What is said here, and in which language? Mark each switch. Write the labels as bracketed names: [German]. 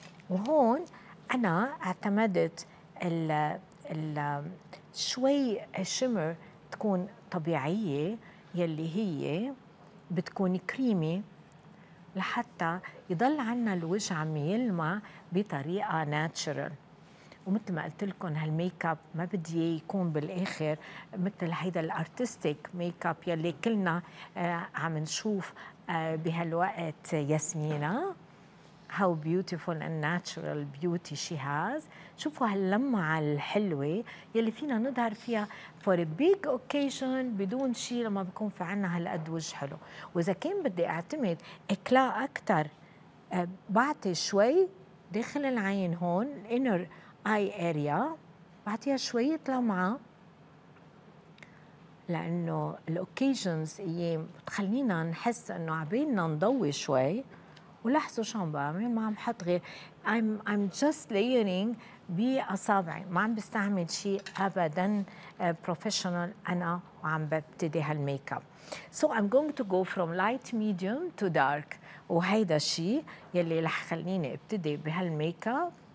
[Arabic] وهون انا اعتمدت ال شوي الشيمر تكون طبيعيه يلي هي بتكون كريمي، لحتى يضل عنا الوجه عم يلمع بطريقة ناتشرال. ومثل ما قلت لكم هالميك اب ما بدي يكون بالآخر مثل هيدا الارتستيك ميك اب يلي كلنا عم نشوف بهالوقت ياسمينة. [English] How beautiful and natural beauty she has. [Arabic] شوفوا هاللمعة الحلوة يلي فينا نظهر فيها [English] for a big occasion [Arabic] بدون شيء لما بكون في عنا هالقد وجه حلو. وإذا كان بدي أعتمد إكلاء أكتر، بعطي شوي داخل العين هون [English] inner eye area، [Arabic] بعطيها شوية لمعة، لأنه الأوكيجنز أيام بتخلينا نحس أنه عبيننا نضوي شوي. ولاحظوا شو عم بعمل، ما عم حط غير [English] I'm just layering [Arabic] بأصابعي، ما عم بستعمل شيء ابدا بروفيشنال انا وعم ببتدي هالميك اب. [English] So I'm going to go from light medium to dark، [Arabic] وهيدا الشيء يلي رح خليني ابتدي بهالميك اب.